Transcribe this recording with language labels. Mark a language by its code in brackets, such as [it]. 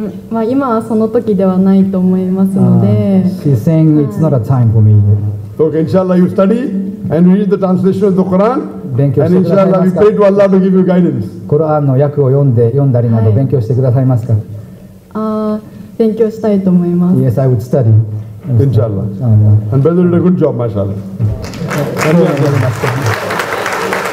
[ja] まあ今はその時ではないと思いますので。 [en] She said it's not a time for me. So, inshallah, you study and read the translation of the Quran. [ja] 勉強してくださいますか。コラーンの訳を読んだりなど勉強してくださいますか。はい、勉強したいと思います。 [en] Yes, I would study. Inshallah. And brother did a good job, mashallah. [ja] ありがとうございます。